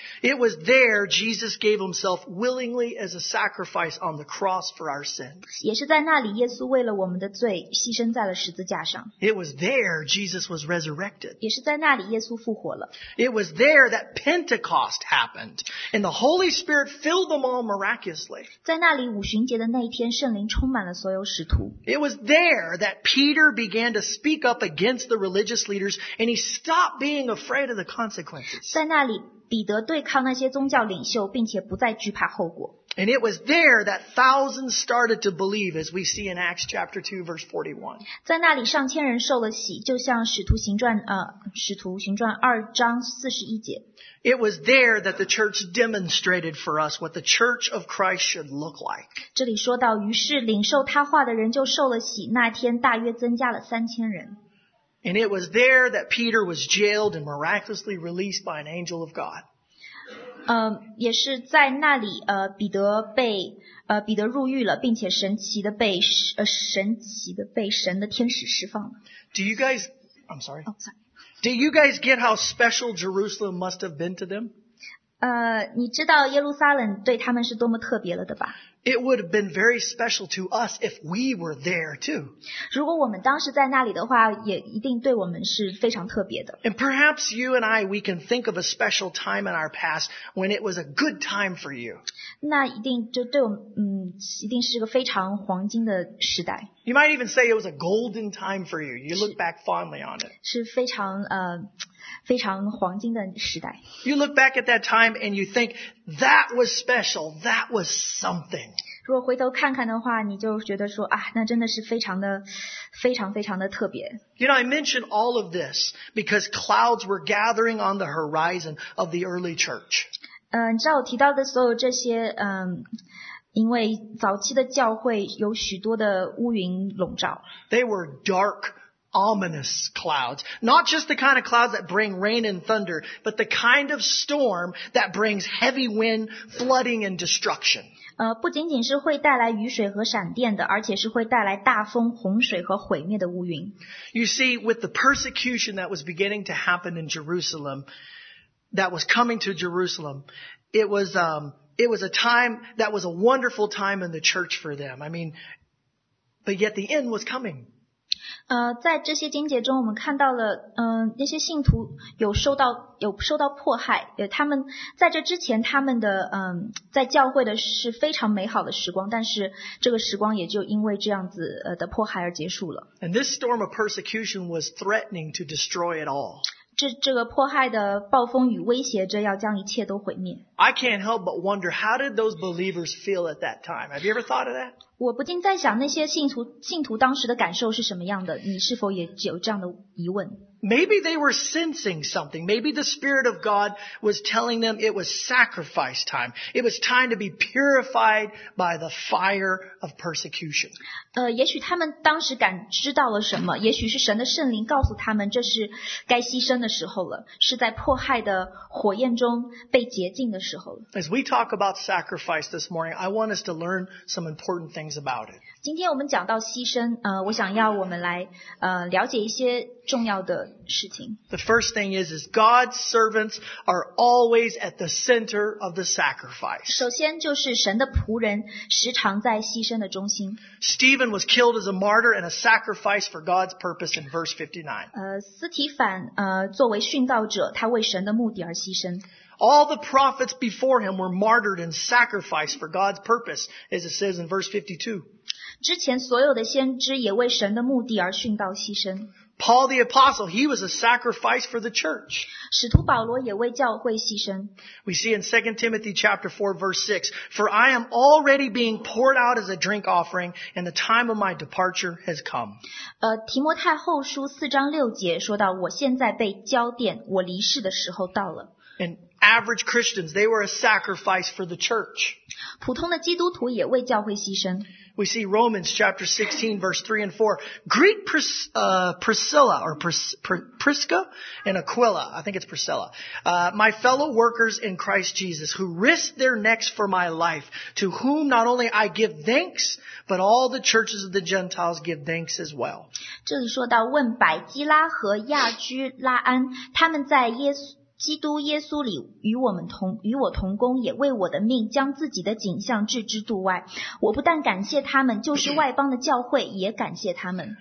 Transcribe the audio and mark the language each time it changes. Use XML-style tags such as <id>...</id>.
<en>It was there Jesus gave himself willingly as a sacrifice on the cross for our sins.</en> <zh>也是在那里，耶稣为了我们的罪牺牲在了十字架上。</zh> <en>It was there Jesus was resurrected.</en> <zh>也是在那里，耶稣复活了。</zh> <en>It was there that Pentecost happened, and the Holy Spirit filled them all miraculously.</en> <zh>在那里，五旬节的那一天，圣灵充满了所有使徒。</zh> <en>It was there that Peter began to speak up against the religious leaders, and he stopped being afraid of the consequences.</en> <zh>在那里，彼得对抗那些宗教领袖，并且不再惧怕后果。</zh> <en>And it was there that thousands started to believe, as we see in Acts chapter 2, verse 41.</en> <zh>在那里上千人受了洗，就像使徒行传二章四十一节。</zh> <en>It was there that the church demonstrated for us what the church of Christ should look like.</en> <zh>这里说到，于是领受他话的人就受了洗，那天大约增加了三千人。</zh> <en>And it was there that Peter was jailed and miraculously released by an angel of God.</en> <zh>也是在那里彼得被彼得入狱了，并且神奇的被神奇的被神的天使释放了。</zh> <en>Do you guys? I'm sorry. Oh, sorry. Do you guys get how special Jerusalem must have been to them?</en> <zh>你知道耶路撒冷对他们是多么特别了的吧？</zh> <en>It would have been very special to us if we were there too.</en> <zh>如果我们当时在那里的话，也一定对我们是非常特别的。</zh> <en>And perhaps you and I, we can think of a special time in our past when it was a good time for you.</en> <zh>那一定就对我们，一定是个非常黄金的时代。</zh> <en>You might even say it was a golden time for you. You look back fondly on it.</en> <zh>是非常非常黄金的时代。</zh> <en>You look back at that time and you think that was special. That was something.</en> <zh>如果回头看看的话，你就觉得说啊，那真的是非常的、非常非常的特别。</zh> <en>You know, I mentioned all of this because clouds were gathering on the horizon of the early church.</en> <zh>你知道我提到的所有这些，因为早期的教会有许多的乌云笼罩。</zh> <en>They were dark. Ominous clouds, not just the kind of clouds that bring rain and thunder, but the kind of storm that brings heavy wind, flooding, and destruction.</en> <zh>不仅仅是会带来雨水和闪电的，而且是会带来大风、洪水和毁灭的乌云。</zh> <en>You see, with the persecution that was beginning to happen in Jerusalem, that was coming to Jerusalem, it was a time that was a wonderful time in the church for them. I mean, but yet the end was coming.</en> <zh>在这些经节中我们看到了那些信徒有受到迫害，他们在这之前他们的在教会的是非常美好的时光，但是这个时光也就因为这样子的迫害而结束了。</zh> <en>And this storm of persecution was threatening to destroy it all.</en> <zh>这个迫害的暴风雨威胁着要将一切都毁灭。</zh> <en>I can't help but wonder how did those believers feel at that time? Have you ever thought of that?</en> <zh>我不禁在想那些信徒当时的感受是什么样的，你是否也有这样的疑问？</zh> <en>Maybe they were sensing something. Maybe the Spirit of God was telling them it was sacrifice time. It was time to be purified by the fire of persecution.</en> <zh>也许他们当时感知到了什么，也许是神的圣灵告诉他们这是该牺牲的时候了，是在迫害的火焰中被洁净的时候了。</zh> <en>As we talk about sacrifice this morning, I want us to learn some important things.</en> <zh>今天我们讲到牺牲，我想要我们来了解一些重要的事情。</zh> <en>The first thing is God's servants are always at the center of the sacrifice.</en> <zh>首先就是神的仆人时常在牺牲的中心。</zh> <en>Stephen was killed as a martyr and a sacrifice for God's purpose in verse 59.</en> <zh>斯提凡作为殉道者，他为神的目的而牺牲。</zh> <en>All the prophets before him were martyred and sacrificed for God's purpose, as it says in verse 52.</en> <zh>之前所有的先知也为神的目的而殉道牺牲。</zh> <en>Paul the apostle, he was a sacrifice for the church.</en> <zh>使徒保罗也为教会牺牲。</zh> <en>We see in 2 Timothy chapter 4 verse 6, For I am already being poured out as a drink offering, and the time of my departure has come.</en> <zh>提摩太后书4章6节说到，我现在被浇奠，我离世的时候到了。</zh> <en>And average Christians, they were a sacrifice for the church.</en> <zh>普通的基督徒也为教会牺牲。</zh> <en>We see Romans chapter 16, verse 3 and 4. Greet Priscilla, or Prisca and Aquila. I think it's Priscilla. My fellow workers in Christ Jesus, who risked their necks for my life, to whom not only I give thanks, but all the churches of the Gentiles give thanks as well.</en> <zh>这里说到问百基拉和亚居拉安，他们在基督耶稣里与我同工，也为我的命将自己的颈项置之度外。我不但感谢他们，就是外邦的教会也感谢他们。</zh>